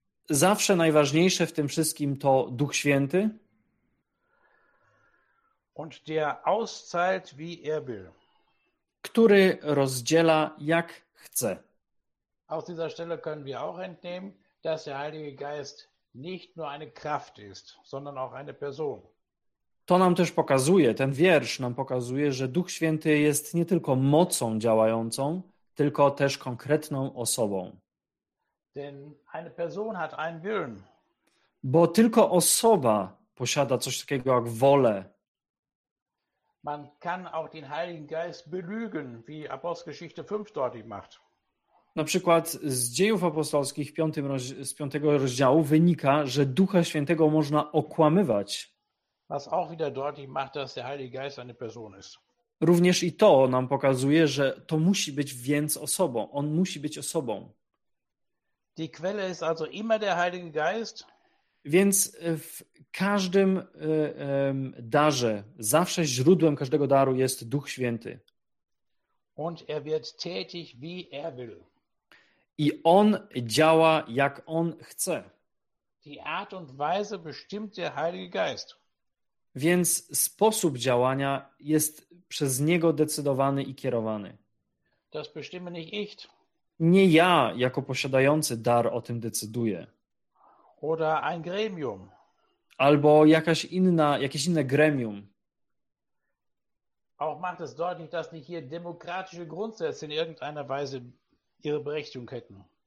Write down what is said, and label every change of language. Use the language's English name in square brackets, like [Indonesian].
[Polish] Zawsze najważniejsze w tym wszystkim to Duch Święty. [German] Und der auszahlt, wie will. [Polish] Który rozdziela, jak chce. [German] Aus dieser Stelle können wir auch entnehmen, dass der Heilige Geist nicht nur eine Kraft ist, sondern auch eine Person. [Polish] To nam też pokazuje, ten wiersz nam pokazuje, że Duch Święty jest nie tylko mocą działającą, tylko też konkretną osobą. [German] Denn eine Person hat einen Willen. [Polish] Bo tylko osoba posiada coś takiego jak wolę. [German] Man kann auch den Heiligen Geist belügen, wie Apostelgeschichte 5 deutlich macht. [Polish] Na przykład z Dziejów Apostolskich z 5 rozdziału wynika, że Ducha Świętego można okłamywać. [German] Was auch wieder deutlich macht, dass der Heilige Geist eine Person ist. [Polish] Również i to nam pokazuje, że to musi być więc osobą. On musi być osobą. [German] Die Quelle ist also immer der Heilige Geist. [Polish] Więc w każdym darze, zawsze źródłem każdego daru jest Duch Święty. [German] Und wird tätig, wie will. [Polish] I on działa, jak on chce. [German] Die Art und Weise bestimmt der Heilige Geist. [Polish] Więc sposób działania jest przez niego decydowany i kierowany. [German] Das bestimme nicht ich. [Polish] Nie ja, jako posiadający dar, o tym decyduję. [German] Oder ein Gremium. [Polish] Albo jakaś inna, jakieś inne gremium. [German] Auch macht es deutlich, dass nicht hier demokratische Grundsätze in irgendeiner Weise ihre Berechtigung hätten.